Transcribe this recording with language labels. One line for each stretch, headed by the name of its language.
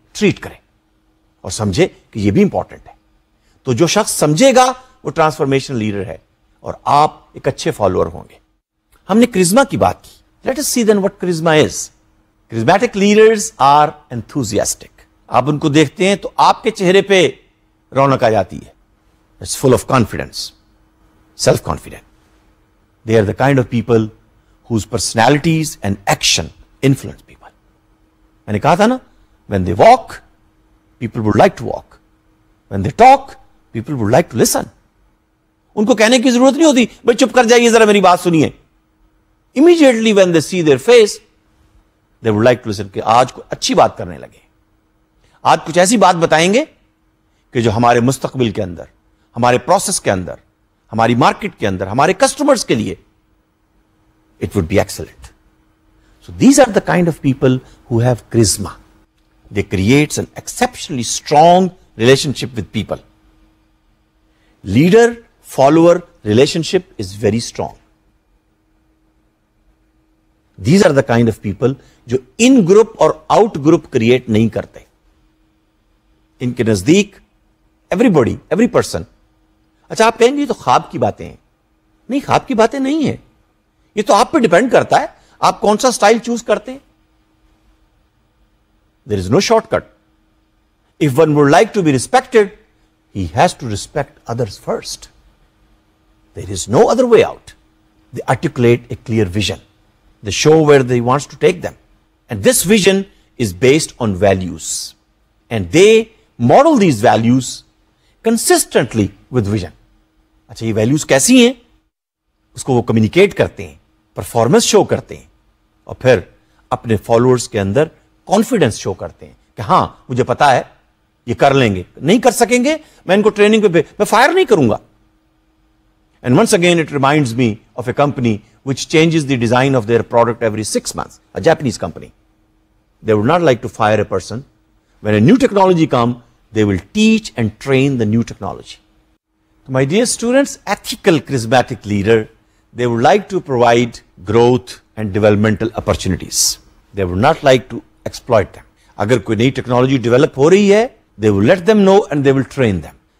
Urdu: Treat کریں اور سمجھے کہ یہ بھی امپورٹنٹ ہے. تو جو شخص سمجھے گا وہ ٹرانسفارمیشن لیڈر ہے اور آپ ایک اچھے فالوور ہوں گے. ہم نے کرزما کی بات کی,
English: Let us see then what charisma is. Charismatic leaders are enthusiastic.
Urdu: آپ ان کو دیکھتے ہیں تو آپ کے چہرے پہ رونق آ جاتی ہے.
English: It's full of confidence, self confident. They are the kind of people whose personalities and action influence people.
Urdu: میں نے کہا تھا نا,
English: When they walk people would like to walk, when they talk people would like to listen.
Urdu: ان کو کہنے کی ضرورت نہیں ہوتی, بھائی چپ کر جائیے ذرا میری بات سنیے.
English: immediately when they see their face they would like to listen,
Urdu: کہ آج کوئی اچھی بات کرنے لگے. آج کچھ ایسی بات بتائیں گے کہ جو ہمارے مستقبل کے اندر, ہمارے پروسیس کے اندر, ہماری مارکیٹ کے اندر, ہمارے کسٹمرز کے لیے
English: It would be excellent. So these are the kind of people who have charisma. They creates an exceptionally strong relationship with people. Leader follower relationship is very strong. These are the kind of people
Urdu: جو ان group اور out group create نہیں کرتے. ان کے نزدیک
English: Everybody, every person.
Urdu: اچھا آپ کہیں گے تو خواب کی باتیں ہیں. نہیں, خواب کی باتیں نہیں ہیں, یہ تو آپ پہ ڈپینڈ کرتا ہے آپ کون سا اسٹائل چوز کرتے ہیں.
English: There is no shortcut. If one would like to be respected he has to respect others first. There is no other way out. They articulate a clear vision, they show where they wants to take them, and this vision is based on values, and they model these values constantly with vision.
Urdu: اچھا یہ values کیسی ہیں, اس کو وہ communicate کرتے ہیں, performance شو کرتے ہیں, اور پھر اپنے فالوورز کے اندر کانفیڈینس شو کرتے ہیں کہ ہاں مجھے پتا ہے یہ کر لیں گے. نہیں کر سکیں گے, میں ان کو ٹریننگ پہ میں فائر نہیں کروں گا.
English: And once again it reminds me of a company which changes the design of their product every six months, a Japanese company. They would not like to fire a person. When a new technology come they will teach and train the new technology. My dear students, ethical charismatic leader, they would like to provide growth and developmental opportunities. They would not like to exploit them.
Urdu: Agar koi new technology develop ho rahi hai,
English: they will let them know and they will train them.